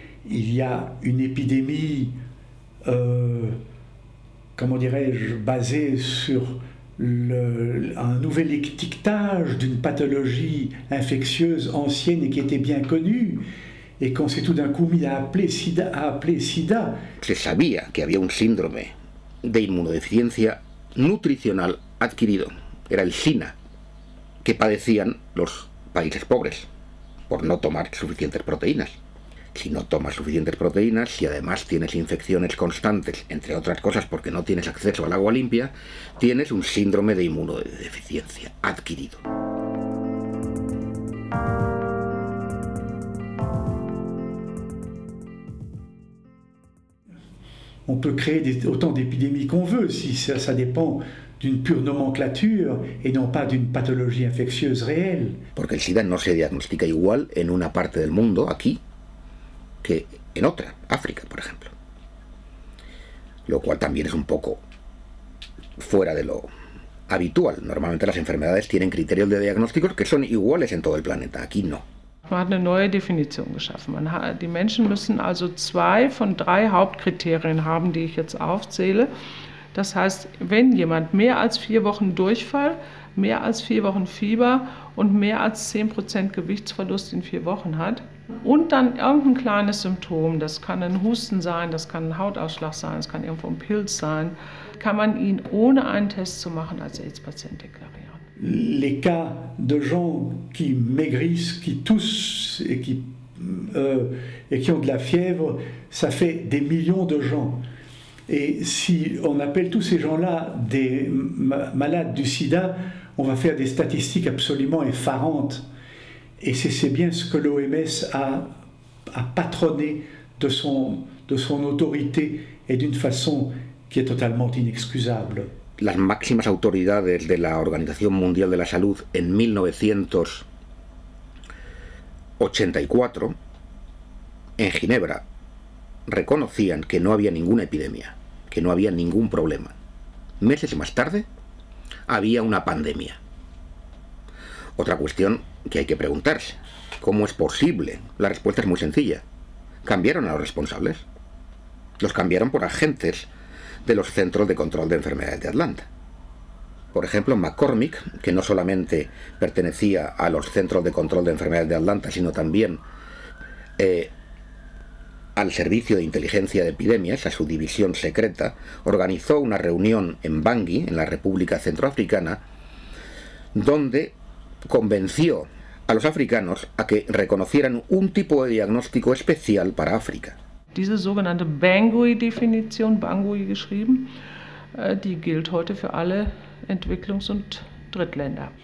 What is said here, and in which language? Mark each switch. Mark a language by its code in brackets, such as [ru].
[fr] Il y a une épidémie, comment dirais-je, basée sur un nouvel étiquetage d'une pathologie infectieuse ancienne et qui était bien connue, et qu'on s'est tout d'un coup mis à appeler sida. [es] Se sabía que había un síndrome de inmunodeficiencia nutricional adquirido. Era el SINA que padecían los países pobres por no tomar suficientes proteínas. Si no tomas suficientes proteínas, si además tienes infecciones constantes, entre otras cosas porque no tienes acceso al agua limpia, tienes un síndrome de inmunodeficiencia adquirido. [fr] On peut créer autant d'épidémies qu'on veut, si ça dépend d'une pure nomenclature et non pas d'une pathologie infectieuse réelle. [es] Porque el SIDA no se diagnostica igual en una parte del mundo, aquí, que en otra, África, por ejemplo. Lo cual también es un poco fuera de lo habitual. Normalmente las enfermedades tienen criterios de diagnóstico que son iguales en todo el planeta, aquí no. [de] Man hat eine neue Definition geschaffen. Die Menschen müssen also 2 von 3 Hauptkriterien haben, die ich jetzt aufzähle. Das heißt, wenn jemand mehr als 4 Wochen Durchfall, mehr als 4 Wochen Fieber und mehr als 10% Gewichtsverlust in 4 Wochen hat und dann irgendein kleines Symptom, das kann ein Husten sein, das kann ein Hautausschlag sein, das kann irgendwo ein Pilz sein, kann man ihn ohne einen Test zu machen als AIDS-Patient deklarieren. [fr] Les cas de gens qui maigrissent, qui toussent et qui ont de la fièvre, ça fait des millions de gens. Et si on appelle tous ces gens-là des malades du sida, on va faire des statistiques absolument effarantes. Et c'est bien ce que l'OMS a patronné de son autorité et d'une façon qui est totalement inexcusable. [es] Las máximas autoridades de la Organización Mundial de la Salud en 1984, en Ginebra, reconocían que no había ninguna epidemia, que no había ningún problema. Meses más tarde, había una pandemia. Otra cuestión que hay que preguntarse, ¿cómo es posible? La respuesta es muy sencilla. Cambiaron a los responsables. Los cambiaron por agentes de los centros de control de enfermedades de Atlanta. Por ejemplo, McCormick, que no solamente pertenecía a los centros de control de enfermedades de Atlanta, sino también al Servicio de Inteligencia de Epidemias, a su división secreta, organizó una reunión en Bangui, en la República Centroafricana, donde convenció a los africanos a que reconocieran un tipo de diagnóstico especial para África. [de] Diese sogenannte Bangui-Definition, Bangui geschrieben, die gilt heute für alle Entwicklungs- und Drittländer.